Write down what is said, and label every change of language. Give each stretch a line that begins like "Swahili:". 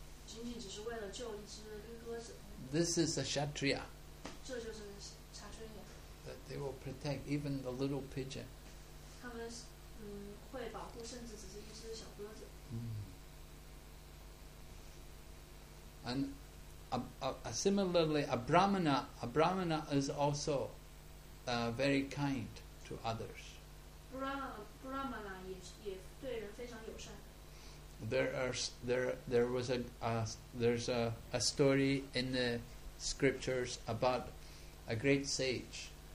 Chinese: 仅仅只是为了救一只绿鸽子。
English: This is a Kshatriya.
Chinese: 这就是查春雅。
English: That they will protect even the little pigeon.
Chinese: 他们会保护甚至只是一只小鸽子。
English: And similarly, a Brahmana is also very kind to others.
Chinese: Brahmana 也对人非常友善。
English: There's a story in the scriptures about a great sage.